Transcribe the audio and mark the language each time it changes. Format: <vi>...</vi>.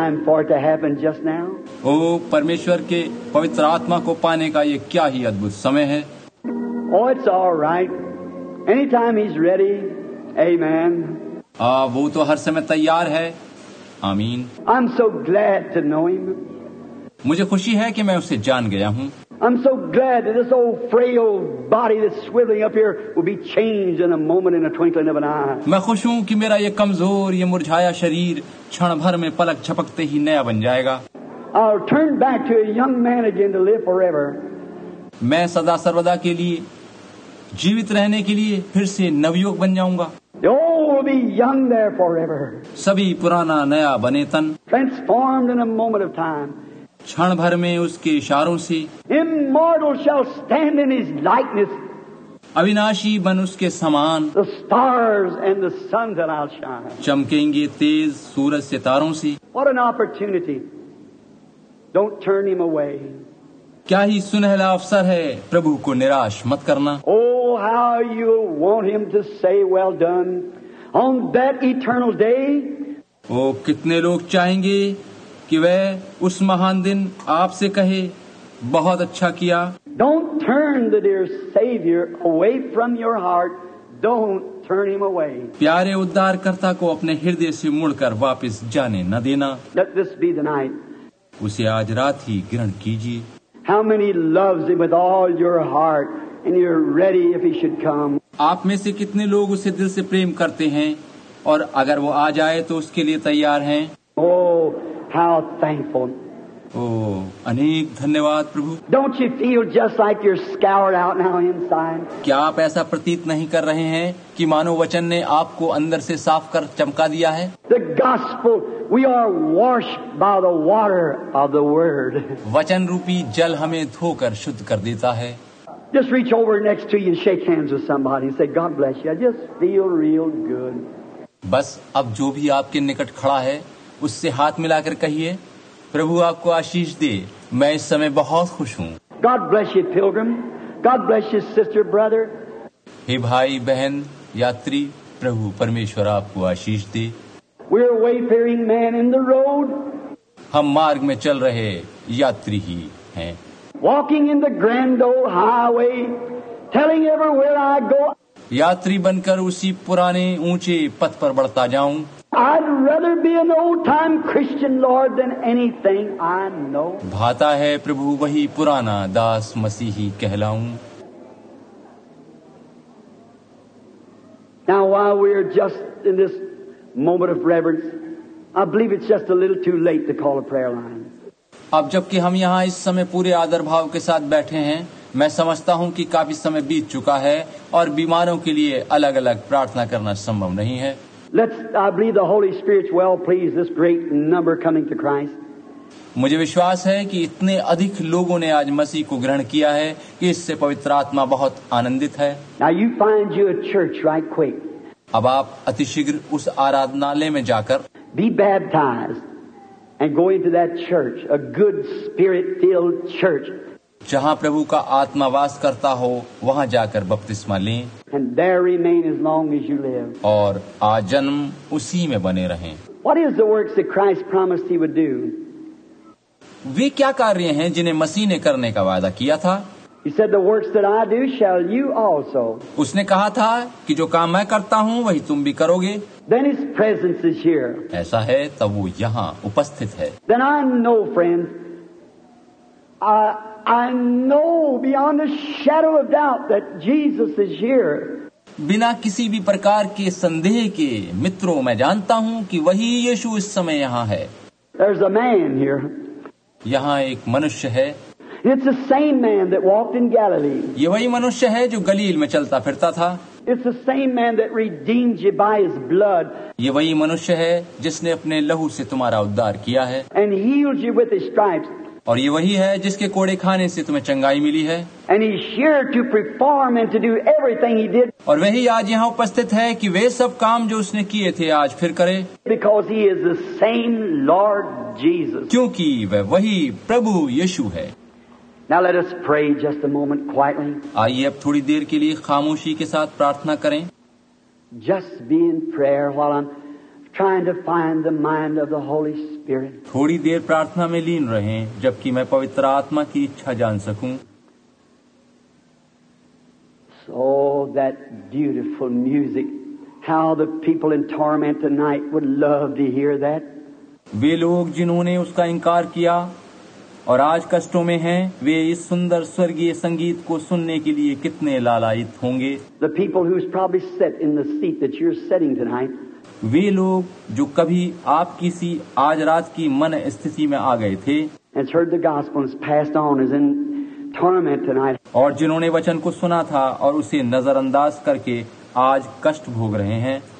<hi>ओ परमेश्वर के पवित्र आत्मा को पाने का ये क्या ही अद्भुत समय है.</hi> <en>Oh, it's all right. Anytime he's ready. Amen.</en> <hi>वो तो हर समय तैयार है. आमीन.</hi> <en>I'm so glad to know him.</en> <hi>मुझे खुशी है कि मैं उसे जान गया हूँ.</hi> <en>I'm so glad that this old frail body that's swiveling up here will be changed in a moment, in a twinkling of an eye.</en> <hi>मैं खुश हूँ कि मेरा ये कमजोर, ये मुरझाया शरीर क्षण भर में पलक झपकते ही नया बन जाएगा.</hi> <en>I'll turn back to a young man again to live forever.</en> <hi>मैं सदा सर्वदा के लिए जीवित रहने के लिए फिर से नवयुवक बन जाऊंगा.</hi> <en>Oh, we'll be young there forever.</en> <hi>सभी पुराना नया बने तन.</hi> <en>Transformed in a moment of time.</en> <hi>क्षण भर में उसके इशारों से.</hi> <en>Immortal shall stand in his likeness.</en> <hi>अविनाशी बन उसके समान.</hi> <en>The stars and the sun that I'll shine.</en> <hi>चमकेंगे तेज सूरज सितारों से.</hi> <en>What an opportunity. Don't turn him away.</en> <hi>क्या ही सुनहला अवसर है. प्रभु को निराश मत करना.</hi> <en>Oh, how you'll want him to say well done on that eternal day.</en> <hi>ओ कितने लोग चाहेंगे कि वह उस महान दिन आपसे कहे बहुत अच्छा किया.</hi> <en>Don't turn the dear Savior away from your heart. Don't turn him away.</en> <hi>प्यारे उद्धारकर्ता को अपने हृदय से मुड़कर वापस जाने न देना.</hi> <en>Let this be the night.</en> <hi>उसे आज रात ही ग्रहण कीजिए.</hi> <en>How many loves him with all your heart and you're ready if he should come.</en> <hi>आप में से कितने लोग उसे दिल से प्रेम करते हैं और अगर वो आ जाए तो उसके लिए तैयार हैं.</hi> <en>How thankful.</en> <hi>Oh, अनेक धन्यवाद प्रभु.</hi> <en>Don't you feel just like you're scoured out now inside?</en> <hi>क्या आप ऐसा प्रतीत नहीं कर रहे हैं कि मानो वचन ने आपको अंदर से साफ कर चमका दिया है?</hi> <en>The gospel, we are washed by the water of the word.</en> <hi>वचन रूपी जल हमें धोकर शुद्ध कर देता है.</hi> <en>Just reach over next to you and shake hands with somebody and say, God bless you. I just feel real good.</en> <hi>बस अब जो भी आपके निकट खड़ा है उससे हाथ मिलाकर कहिए प्रभु आपको आशीष दे मैं इस समय बहुत खुश हूँ.</hi> <en>God bless you, pilgrim. God bless you, sister, brother.</en> <hi>हे भाई बहन यात्री प्रभु परमेश्वर आपको आशीष दे.</hi> <en>We're wayfaring man in the road.</en> <hi>हम मार्ग में चल रहे यात्री ही हैं.</hi> <en>Walking in the grand old highway, telling everywhere I go.</en> <hi>यात्री बनकर उसी पुराने ऊंचे पथ पर बढ़ता जाऊं.</hi> <en>I'd rather be an old-time Christian Lord than anything I know.</en> <hi>भाता है प्रभु वही पुराना दास मसीही कहलाऊं.</hi> <en>Now while we are just in this moment of reverence, I believe it's just a little too late to call a prayer line.</en> <hi>अब जबकि हम यहाँ इस समय पूरे आदर भाव के साथ बैठे हैं, मैं समझता हूँ कि काफी समय बीत चुका है और बीमारों के लिए अलग-अलग प्रार्थना करना संभव नहीं है.</hi> <en>I believe the Holy Spirit's well pleased this great number coming to Christ.</en> <hi>मुझे विश्वास है कि इतने अधिक लोगों ने आज मसीह को ग्रहण किया है कि इससे पवित्र आत्मा बहुत आनंदित है.</hi> <en>Now you find you a church right quick.</en> <hi>अब आप अतिशीघ्र उस आराधनालय में जाकर.</hi> <en>Be baptized and go into that church, a good spirit-filled church.</en> <hi>जहाँ प्रभु का आत्मा वास करता हो वहाँ जाकर बपतिस्मा लें.</hi> <en>And there remain as long as you live.</en> <hi>और आजन्म उसी में बने रहें.</hi> <en>What is the works that Christ promised he would do?</en> <hi>वे क्या कार्य हैं जिन्हें मसीह ने करने का वादा किया था?</hi> <en>He said, the works that I do shall you also.</en> <hi>उसने कहा था कि जो काम मैं करता हूँ वही तुम भी करोगे.</hi> <en>Then his presence is here.</en> <hi>ऐसा है तब वो यहाँ उपस्थित है.</hi> <en>Then I know, friends, I know beyond a shadow of doubt that Jesus is here.</en> <hi>बिना किसी भी प्रकार के संदेह के मित्रों मैं जानता हूं कि वही यीशु इस समय यहां है.</hi> <en>There's a man here.</en> <hi>यहां एक मनुष्य है.</hi> <en>It's the same man that walked in Galilee.</en> <hi>ये वही मनुष्य है जो गलील में चलता फिरता था.</hi> <en>It's the same man that redeemed you by his blood.</en> <hi>ये वही मनुष्य है जिसने अपने लहू से तुम्हारा उद्धार किया है.</hi> <en>And healed you with his stripes.</en> <hi>और ये वही है जिसके कोड़े खाने से तुम्हें चंगाई मिली है.</hi> <en>And he's here to perform and to do everything he did.</en> <hi>और वही आज यहाँ उपस्थित है कि वे सब काम जो उसने किए थे आज फिर करे.</hi> <en>Because he is the same Lord Jesus.</en> <hi>क्योंकि वह वही प्रभु यीशु है.</hi> <en>Now let us pray just a moment quietly.</en> <hi>आइए अब थोड़ी देर के लिए खामोशी के साथ प्रार्थना करें.</hi> <en>Just be in prayer while I'm trying to find the mind of the Holy Spirit.</en> <hi>थोड़ी देर प्रार्थना में लीन रहें जबकि मैं पवित्र आत्मा की इच्छा जान सकूं.</hi> <en>So that beautiful music, how the people in torment tonight would love to hear that.</en> <hi>वे लोग जिन्होंने उसका इंकार किया और आज कष्टों में हैं, वे इस सुंदर स्वर्गीय संगीत को सुनने के लिए कितने लालायित होंगे.</hi> <en>The people who's probably sat in the seat that you're sitting tonight.</en> <hi>वे लोग जो कभी आपकी सी आज रात की मन स्थिति में आ गए थे और जिन्होंने वचन को सुना था और उसे नजरअंदाज करके आज कष्ट भोग रहे हैं.</hi>